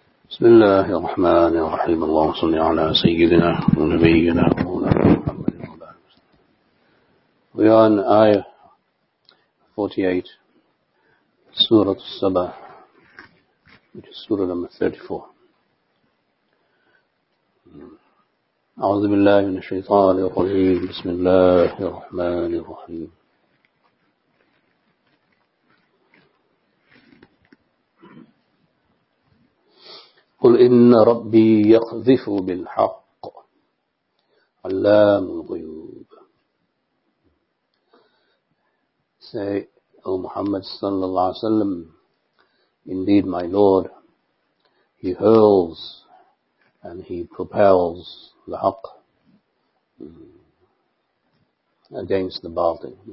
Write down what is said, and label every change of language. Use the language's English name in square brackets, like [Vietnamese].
[Arabic] بسم الله الرحمن الرحيم الله صل على سيدنا ونبينا محمد وعلى آله وصحبه. [English] We are in Ayah 48, Surah Saba, which is Surah number 34. [Arabic] أعوذ بالله من الشيطان الرجيم بسم الله الرحمن الرحيم. قل إن ربي يقذف بالحق علام الغيوب. [English] Say, O Muhammad sallallahu alaihi wasallam, indeed my Lord, he hurls and he propels the haqq against the batil.